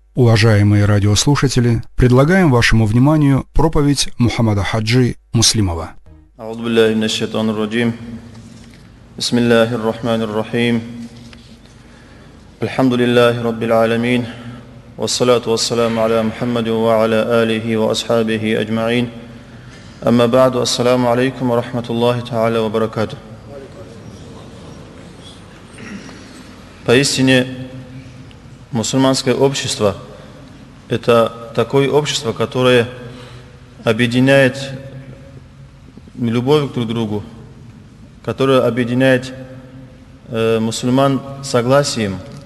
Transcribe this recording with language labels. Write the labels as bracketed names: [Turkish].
[Russian] Уважаемые радиослушатели, предлагаем вашему вниманию проповедь Мухаммада Хаджи Муслимова. [Arabic] أعوذ بالله من الشيطان الرجيم بسم الله الرحمن الرحيم الحمد لله رب العالمين والصلاة والسلام على محمد وعلى آله وأصحابه أجمعين أما بعد السلام عليكم ورحمة الله تعالى وبركاته. [Russian] Поистине мусульманское общество — это такое общество, которое объединяет любовь друг к другу, которая объединяет мусульман согласием.